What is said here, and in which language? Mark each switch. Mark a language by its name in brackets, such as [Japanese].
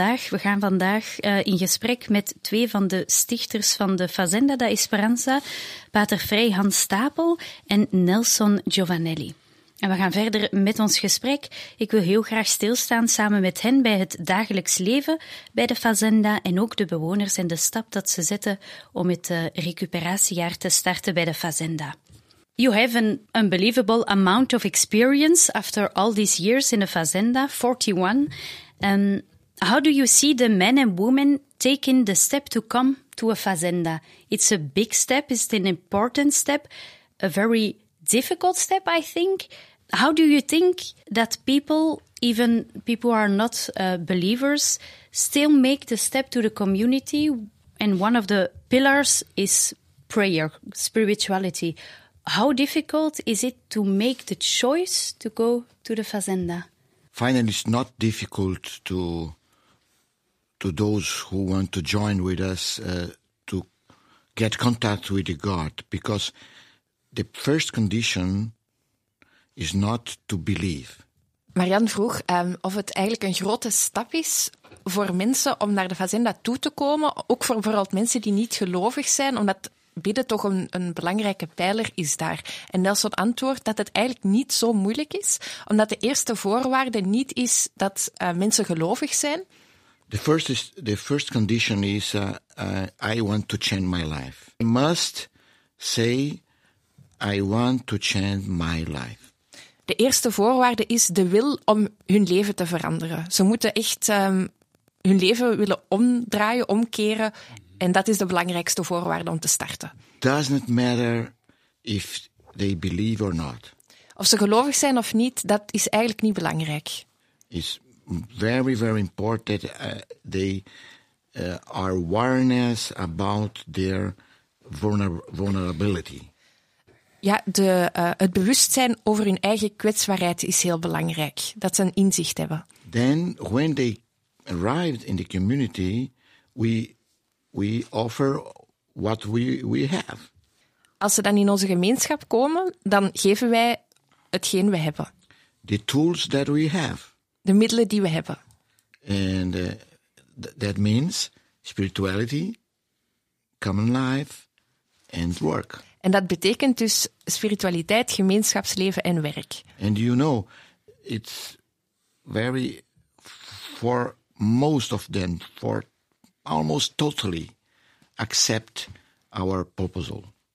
[Dutch] We gaan vandaag in gesprek met twee van de stichters van de Fazenda da Esperanza, Pater Frei Hans Stapel en Nelson Giovanelli. En we gaan verder met ons gesprek. Ik wil heel graag stilstaan samen met hen bij het dagelijks leven bij de Fazenda en ook de bewoners en de stap dat ze zetten om het recuperatiejaar te starten bij de Fazenda. [English] You have an unbelievable amount of experience after all these years in the Fazenda, 41. How do you see the men and women taking the step to come to a Fazenda? It's a big step, it's an important step, a very difficult step, I think. How do you think that people, even people who are not believers, still make the step to the community? And one of the pillars is prayer, spirituality. How difficult is it to make the choice to go to the Fazenda? Finally, it's not difficult to those who want to join with us to get contact with the God, because the first condition is not to believe. [Dutch] Marianne vroeg of het eigenlijk een grote stap is voor mensen om naar de Fazenda toe te komen, ook voor vooral mensen die niet gelovig zijn, omdat bidden toch een belangrijke pijler is daar. En Nelson antwoordt dat het eigenlijk niet zo moeilijk is, omdat de eerste voorwaarde niet is dat mensen gelovig zijn. [English] The first condition is I want to change my life. I must say I want to change my life. [Dutch] De eerste voorwaarde is de wil om hun leven te veranderen. Ze moeten echt hun leven willen omdraaien, omkeren. En dat is de belangrijkste voorwaarde om te starten. [English] Doesn't matter if they believe or not. [Dutch] Of ze gelovig zijn of niet, dat is eigenlijk niet belangrijk. [English] It's very, very important they are awareness about their vulnerability. [Dutch] Ja, het bewustzijn over hun eigen kwetsbaarheid is heel belangrijk. Dat ze een inzicht hebben. [English] Then when they arrived in the community, we offer what we have. [Dutch] Als ze dan in onze gemeenschap komen, dan geven wij hetgeen we hebben. [English] The tools that we have. [Dutch] De middelen die we hebben. [English] And that means spirituality, common life and work. [Dutch] En dat betekent dus spiritualiteit, gemeenschapsleven en werk. [English] And you know, it's very for most of them, for almost totally accept our proposal.